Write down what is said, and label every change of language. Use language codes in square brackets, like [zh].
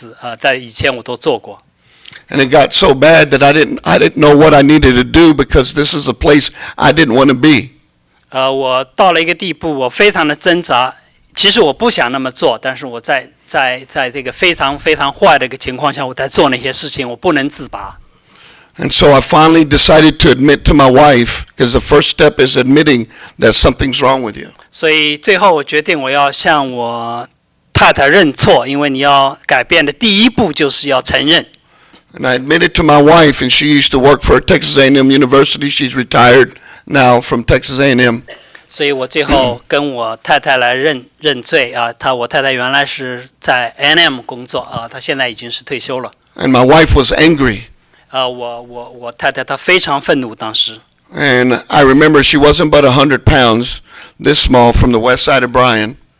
[zh] 他说我今天在这里讲很多事情，我以前以后再也不会做，但是我做了很多，包括用毒品，包括那个虐待我的妻子，在以前我都做过。 [en] And it got so bad that I didn't know what I needed to do because this is a place I didn't want to be. [zh] 我到了一个地步，我非常的挣扎。其实我不想那么做，但是我在这个非常非常坏的一个情况下，我在做那些事情，我不能自拔。 [en] And so I finally decided to admit to my wife, because the first step is admitting that something's wrong with you. [zh] 所以最后我决定我要向我太太认错，因为你要改变的第一步就是要承认。 [en] And I admitted to my wife, and she used to work for Texas A&M University. She's retired now from Texas A&M. [zh] 所以我最后跟我太太来认罪，我太太原来是在 A&M 工作，她现在已经是退休了。 [en] And my wife was angry. [zh] 我太太她非常愤怒当时。 [en] And I remember she wasn't but 100 pounds, this small, from the west side of Bryan.